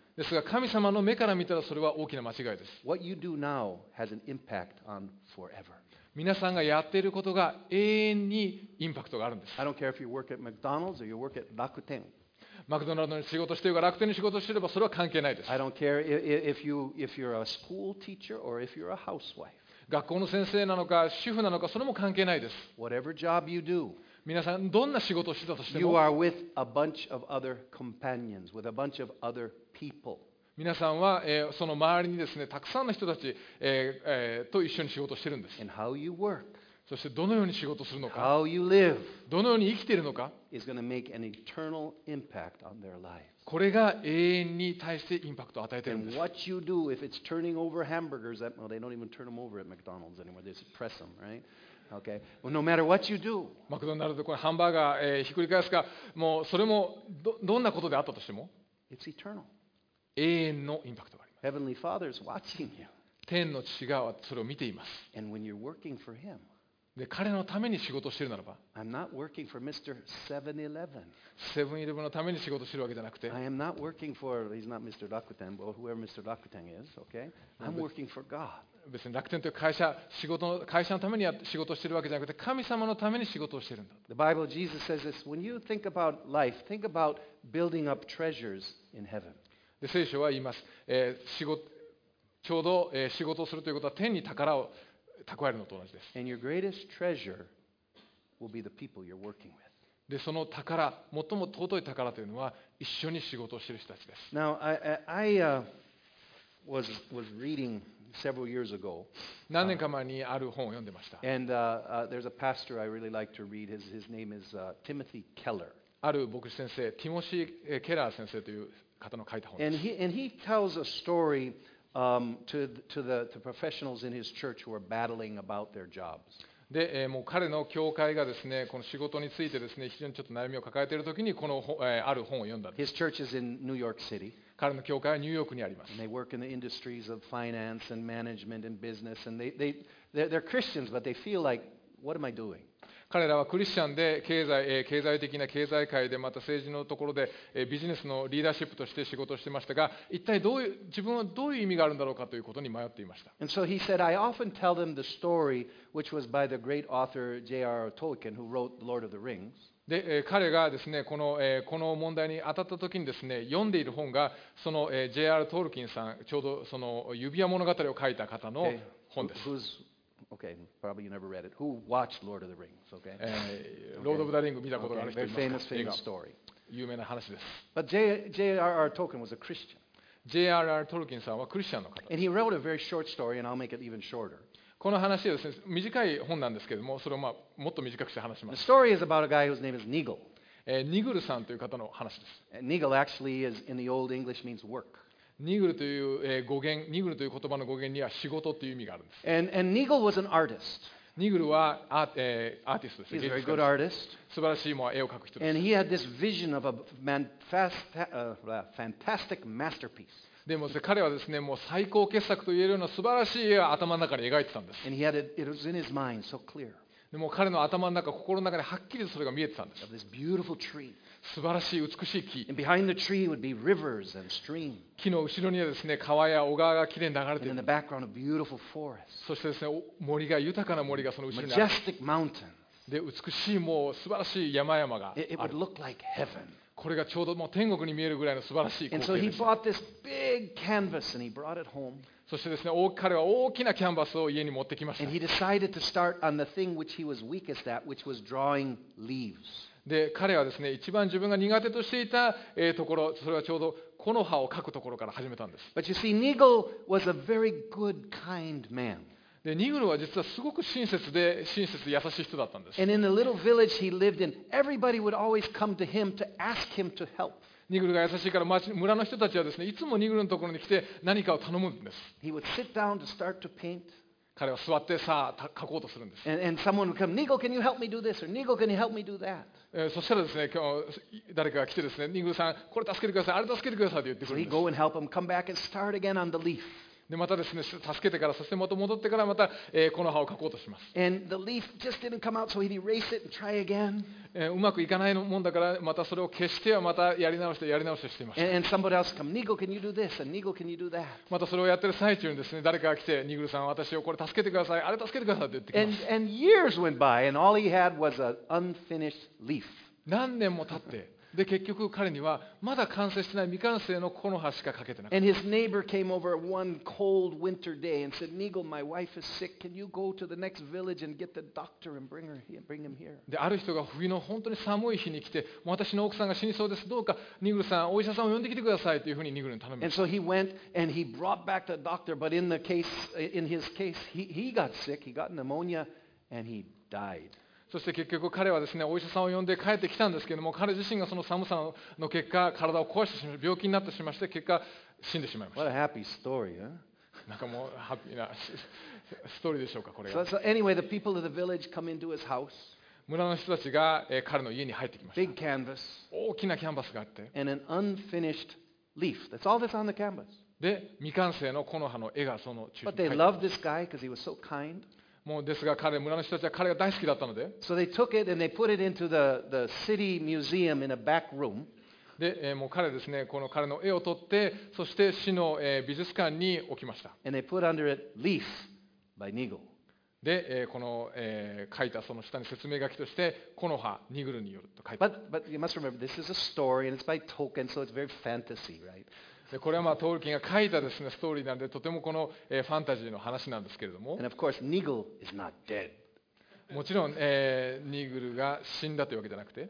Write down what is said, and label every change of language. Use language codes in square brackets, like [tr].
[ja] ですが神様の目から見たらそれは大きな間違いです。 [en] What you do now has an impact on forever. [ja] 皆さんがやっていることが永遠にインパクトがあるんです。 [en] I don't care if you work at McDonald's or you work at Rakuten. [ja] マクドナルドに仕事しているか楽天に仕事していればそれは関係ないです。 [en] I don't care if you're a school teacher or if you're a housewife. [ja] 学校の先生なのか主婦なのかそれも関係ないです。 [en] Whatever job you do, [ja] 皆さんどんな仕事をしたとしても、 [en] you are with a bunch of other companions, with a bunch of other people. [ja] 皆さんは、その周りにですね、たくさんの人たち、と一緒に仕事をしているんです。 [en] And how you work. [ja] そしてどのように仕事をするのか、 [en] How you live, [ja] どのように生きているのか、 [en] is going to make an eternal impact on their lives. [ja] これが永遠に対してインパクトを与えているんです。 [en] And what you do if it's turning over hamburgers, that, well, they don't even turn them over at McDonald's anymore. They just press them, right? Okay. Well, no matter what you do, [ja] マクドナルドでハンバーガー、ひっくり返すか、もうそれも どんなことであったとしても、 [en] it's eternal. [ja] 永遠のインパクトがあります。 [en] Heavenly Father is watching you. [ja] 天の父がそれを見ています。 [en] And when you're working for him, [ja] で彼のために仕事をしているならば、 [en] I'm not working for Mr. 7-Eleven. [ja] セブンイレブンのために仕事をしているわけじゃなくて、 [en] I am not working for, he's not Mr. Rakuten, but whoever Mr. Rakuten is, okay? I'm working for God. [ja] 別に楽天という会社、会社のために仕事をしているわけじゃなくて、神様のために仕事をしているんだ。 [en] The Bible, Jesus says this, when you think about life, think about building up treasures in heaven. [ja] で聖書は言います、ちょうど、仕事をするということは天に宝を蓄えるのと同じです。 [en] And your greatest treasure will be the people you're working with. [ja] で、その宝、最も尊い宝というのは一緒に仕事をしている人たちです。 [en] Now, I was reading several years ago. [ja] 何年か前にある本を読んでました。 [en] And there's a pastor I really like to read. His name is Timothy Keller. [ja] ある牧師先生、ティモシー・ケラー先生という方の書いた本です。 [en] And he tells a story to the professionals in his church who are battling about their jobs. [ja] で、もう彼の教会がですね、この仕事についてですね、非常にちょっと悩みを抱えているときにこの、ある本を読んだんです。 [en] His church is in New York City. [ja] 彼の教会はニューヨークにあります。 [en] And they work in the industries of finance and management and business. And they're Christians, but they feel like, what am I doing? [ja] 彼らはクリスチャンで経済的な経済界でまた政治のところでビジネスのリーダーシップとして仕事をしていましたが、一体どういう自分はどういう意味があるんだろうかということに迷っていました。 [en] And so he said, I often tell them the story which was by the great author J.R.R. Tolkien who wrote The Lord of the Rings. [ja] で彼がですね、この問題に当たったときにですね、読んでいる本がその J.R. トールキンさん、ちょうどその指輪物語を書いた方の本です。 [en] Okay. Okay, probably you never read it. Who watched Lord of the Rings? Okay. [ja] Lord of the Ring 見たことがある人いますか? [en] Famous story. [ja] 有名な話です。 [en] But J.R.R. Tolkien was a Christian. [ja] J.R.R. Tolkien さんはクリスチャンの方。 [en] And he wrote a very short story, and I'll make it even shorter. [ja] この話はですね、短い本なんですけども、それをまあもっと短くして話します。 [en] The story is about a guy whose name is Nigel. [ja] ニグルさんという方の話です。 [en] Nigel actually is in the old English means work. [ja] ニグルという語源、ニグルという言葉の語源には仕事という意味があるんです。 [en] And Nigel was an artist. [ja] ニグルはアーティストです。 [en] He's a very good artist. [ja] 素晴らしい絵を描く人です。 [en] And he had this vision of a fantastic masterpiece. [ja] でも彼はですね、もう最高傑作と言えるような素晴らしい絵を頭の中に描いてたんです。 [en] And he had it was in his mind so clear. [ja] でも彼の頭の中、心の中ではっきりとそれが見えてたんです。 [en] This beautiful tree. [ja] 素晴らしい美しい木。 [en] And behind the tree would be rivers and stream. [ja] 木の後ろにはですね、川や小川がきれいに流れている。 [en] And in the background, a beautiful forest. [ja] そしてですね、森が豊かな森がその後ろにある。 [en] Majestic mountain. [ja] で、美しいもう素晴らしい山々がある。 [en] It would look like heaven. [ja] これがちょうどもう天国に見えるぐらいの素晴らしい光景でした。 [en] And so he bought this big canvas and he brought it home. [ja] そしてですね、彼は大きなキャンバスを家に持ってきました。 [en] And he decided to start on the thing which he was weakest at, which was drawing leaves. [ja] で、彼はですね、一番自分が苦手としていたところ、それはちょうど木の葉を描くところから始めたんです。 [en] But you see, Nigel was a very good, kind man. [ja] で、ニグルは実はすごく親切で、親切で優しい人だったんです。 [en] And in the little village he lived in, everybody would always come to him to ask him to help. [ja] ニグルが優しいから村の人たちはですね、いつもニグルのところに来て何かを頼むんです。 [en] He would sit down to start to paint. [ja] 彼は座ってさあ描こうとするんです。 [en] And someone would come, Nigel, can you help me do this? Or Nigel, can you help me do that? [ja] そしたらですね、今日誰かが来てですね、ニグルさん、これ助けてください、あれ助けてくださいと言ってくるんです。 [en] So he'd go and help him, come back and start again on the leaf. [ja] でまたですね、助けてから、そしてまた戻ってからまた、この葉を描こうとします。 [en] And the leaf just didn't come out, so he'd erase it and try again. [ja] うまくいかないもんだからまたそれを消してはまたやり直してやり直してしていました。 [en] And somebody else come, Nigel, can you do this? And Nigel, can you do that? [ja] またそれをやってる最中にですね、誰かが来て、ニグルさん、私をこれ助けてください、あれ助けてくださいって言ってきます。 [en] And years went by, and all he had was an unfinished leaf. [ja] 何年も経って、で結局彼にはまだ完成してない未完成の木の葉しか描けてなかった。 [en] And his neighbor came over one cold winter day and said, Nigel, my wife is sick. Can you go to the next village and get the doctor and bring him here? [ja] で、ある人が冬の本当に寒い日に来て、もう私の奥さんが死にそうです。どうか、ニグルさん、お医者さんを呼んできてくださいというふうにニグルに頼みました。 [en] And so he went and he brought back the doctor, but in his case, he got sick. He got pneumonia and he died. [ja] そして結局彼はですね、お医者さんを呼んで帰ってきたんですけれども、彼自身がその寒さの結果、体を壊してしまい、病気になってしまって、結果、死んでしまいました。 [en] What a happy story, huh? [ja] なんかもう、ハッピーなストーリーでしょうか、これが。 [en] So anyway, the people of the village come into his house. [ja] 村の人たちが彼の家に入ってきました。 [en] Big canvas. [ja] 大きなキャンバスがあって。 [en] And an unfinished leaf. That's all that's on the canvas. [ja] で、未完成の木の葉の絵がその中心に入ってます。 [en] But they loved this guy because he was so kind. [ja] もうですが彼、村の人たちは彼が大好きだったので。 [en] So they took it and they put it into the city museum in a back room. [ja] で、もう彼ですね、この彼の絵を取って、そして市の美術館に置きました。 [en] And they put under it Leaf by Nigel. [ja] で、この書いたその下に説明書きとして、木の葉、ニグルによると書いてあります。 [en] But you must remember, this is a story and it's by Tolkien, so it's very fantasy, right? [ja] これはまあトールキンが書いたですねストーリーなんで、とてもこのファンタジーの話なんですけれども。 [en] And of course, Nigel is not dead. [ja] もちろん、ニーグルが死んだというわけじゃなくて。